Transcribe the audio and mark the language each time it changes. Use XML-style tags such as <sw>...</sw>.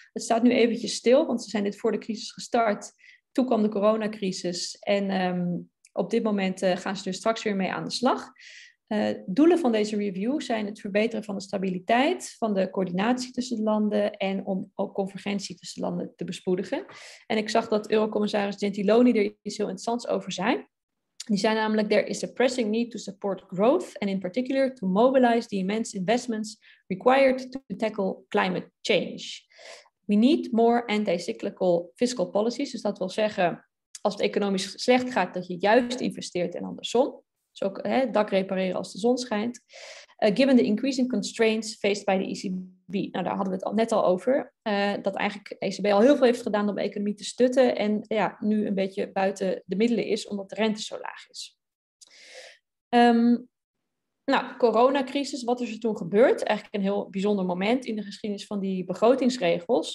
<nl>Het staat nu eventjes stil, want ze zijn dit voor de crisis gestart. Toen kwam de coronacrisis en op dit moment gaan ze er straks weer mee aan de slag. Doelen van deze review zijn het verbeteren van de stabiliteit, van de coördinatie tussen de landen en om ook convergentie tussen de landen te bespoedigen. En ik zag dat Eurocommissaris Gentiloni er iets heel interessants over zei. Die zei namelijk,</nl> <en>there is a pressing need to support growth and in particular to mobilize the immense investments required to tackle climate change. We need more anti-cyclical fiscal policies.</en> <nl>Dus dat wil zeggen, als het economisch slecht gaat, dat je juist investeert en andersom. Dus ook dak repareren als de zon schijnt.</nl> <en>Given the increasing constraints faced by the ECB.</en> <nl>Nou, daar hadden we het al net al over. Dat eigenlijk ECB al heel veel heeft gedaan om de economie te stutten. En ja, nu een beetje buiten de middelen is, omdat de rente zo laag is. Coronacrisis, wat is er toen gebeurd? Eigenlijk een heel bijzonder moment in de geschiedenis van die begrotingsregels.</nl>